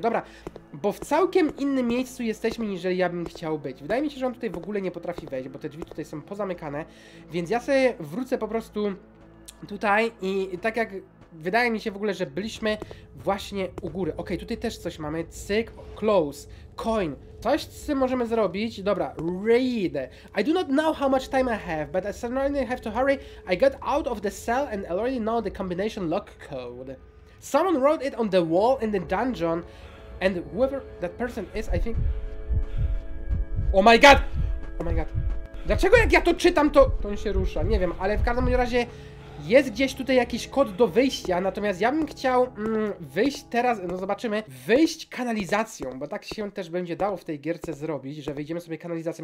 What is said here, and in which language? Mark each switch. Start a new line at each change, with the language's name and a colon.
Polish: Dobra, bo w całkiem innym miejscu jesteśmy, niż ja bym chciał być. Wydaje mi się, że on tutaj w ogóle nie potrafi wejść, bo te drzwi tutaj są pozamykane. Więc ja sobie wrócę po prostu tutaj i tak jak... Wydaje mi się w ogóle, że byliśmy właśnie u góry. Okej, okay, tutaj też coś mamy. Cyk, close, coin. Coś, co możemy zrobić. Dobra, read.
English: I do not know how much time I have, but I certainly have to hurry. I got out of the cell and already know the combination lock code. Someone wrote it on the wall in the dungeon. And whoever that person is, I think... Oh my god! Oh my god.
Polish: Dlaczego jak ja to czytam, to... To on się rusza, nie wiem, ale w każdym razie... Jest gdzieś tutaj jakiś kod do wyjścia, natomiast ja bym chciał wyjść teraz, no zobaczymy, wyjść kanalizacją, bo tak się też będzie dało w tej gierce zrobić, że wyjdziemy sobie kanalizacją.